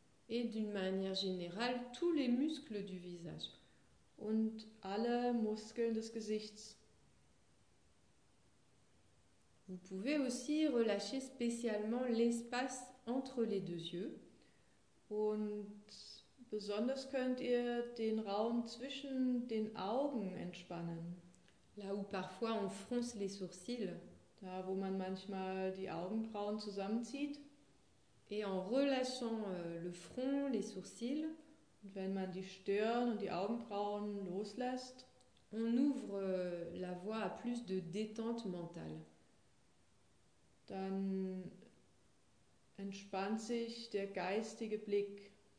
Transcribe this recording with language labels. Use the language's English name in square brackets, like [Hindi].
[French] Et d'une manière générale, tous les muscles du visage. [German] Und alle Muskeln des Gesichts. [French] Vous pouvez aussi relâcher spécialement l'espace entre les deux yeux. [German] Und besonders könnt ihr den Raum zwischen den Augen entspannen. [French] Là où parfois on fronce les sourcils. [German] Da, wo man manchmal die Augenbrauen zusammenzieht. [French] Et en relâchant le front, les sourcils, [German] und wenn man die Stirn und die Augenbrauen loslässt, [French] on ouvre la voie à plus de détente mentale. [German] Dann entspannt sich der geistige Blick.